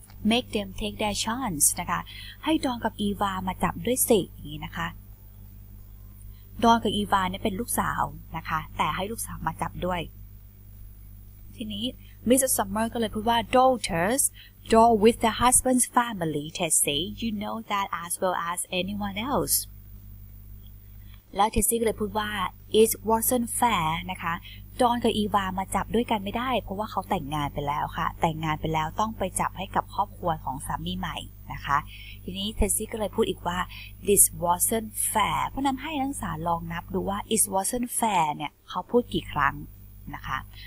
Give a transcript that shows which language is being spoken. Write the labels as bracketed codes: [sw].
[en] make them take their chance [th] นะคะให้ดอนกับอีวามาจับด้วยสิอย่างงี้นะคะดอนกับอีวาเนี่ยเป็นลูกสาวนะคะแต่ให้ลูกสาวมาจับด้วยทีนี้ Mrs. [en] Summer [th] ก็เลยพูดว่า [en] Daughters, draw with the husband's family, Tessie. You know that as well as anyone else. [th] แล้ว Tessie ก็เลยพูดว่า [en] It wasn't fair, [th] นะคะ John กับ Eva มาจับด้วยกันไม่ได้เพราะว่าเขาแต่งงานไปแล้วค่ะแต่งงานไปแล้วต้องไปจับให้กับครอบครัวของสามีใหม่นะคะทีนี้ Tessie ก็เลยพูดอีกว่า [en] This wasn't fair. [th] เพราะนั้นให้นักศึกษาลองนับดูว่า [en] It wasn't fair [th] เนี่ยเขาพูดกี่ครั้งนะคะ